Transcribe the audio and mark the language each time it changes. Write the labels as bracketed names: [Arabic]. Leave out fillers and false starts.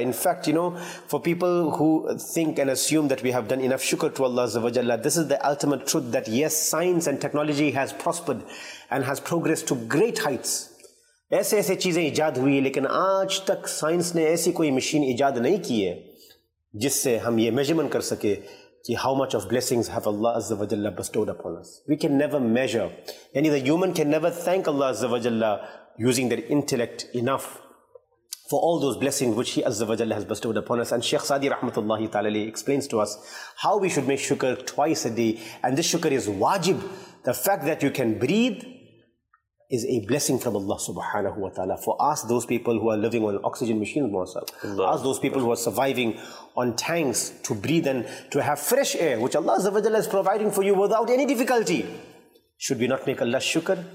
[English] In fact, you know, for people who think and assume that we have done enough shukr to Allah azza wa jalla, this is the ultimate truth, that yes, science and technology has prospered and has progressed to great heights. [Hindi] ऐसे ऐसे चीज़ें ईजाद हुई, लेकिन आज तक science ने ऐसी कोई मशीन ईजाद नहीं की है जिससे हम ये मेजरमेंट कर सके कि [English] How much of blessings have Allah अज़्ज़ा वजल्ला bestowed upon us. We can never measure, यानी the human can never thank Allah अज़्ज़ा वजल्ला using their intellect enough for all those blessings which he अज़्ज़ा वजल्ला has bestowed upon us. And Sheikh Saadi रहमतुल्लाहि तआला अलैहि explains to us how we should make शुक्र twice a day, and this शुक्र is वाजिब. The fact that you can breathe is a blessing from Allah subhanahu wa ta'ala. For us, those people who are living on oxygen machines, us those people who are surviving on tanks to breathe and to have fresh air, which Allah azza wa jalla is providing for you without any difficulty, should we not make Allah shukr?